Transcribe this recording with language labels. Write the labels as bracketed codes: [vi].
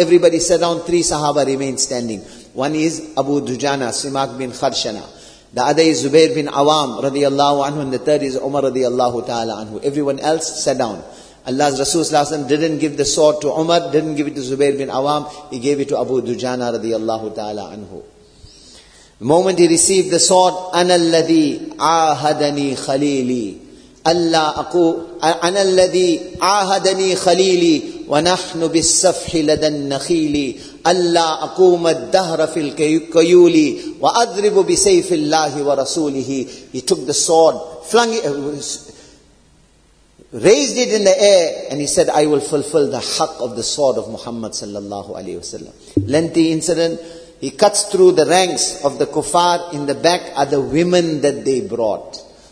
[en] Everybody sat down, three sahaba remained standing. One is Abu Dujana, Simak bin Kharshana. The other is Zubair bin Awam radiallahu anhu, and the third is Umar radiallahu ta'ala anhu. Everyone else sat down. Allah's Rasul sallallahu alayhi wa sallam didn't give the sword to Umar, didn't give it to Zubair bin Awam, he gave it to Abu Dujana radiallahu ta'ala anhu. The moment he received the sword, [ar] أَنَا الَّذِي عَاهَدَنِي خَلِيلِي أَلَّا أَقُوْ أَنَا الَّذِي عَاهَدَنِي خَلِيلِي وَنَحْنُ بِالسَّفْحِ لَدَ النَّخِيلِ أَلَّا أَقُومَ الدَّهْرَ فِي الْكَيُولِ وَأَضْرِبُ بِسَيْفِ اللَّهِ وَرَسُولِهِ. [en] He took the sword, flung it, raised it in the air, and he said, I will fulfill the haqq of the sword of Muhammad sallallahu alayhi wa sallam. Lengthy incident. He cuts through the ranks of the kuffar. In the back are the women that they brought.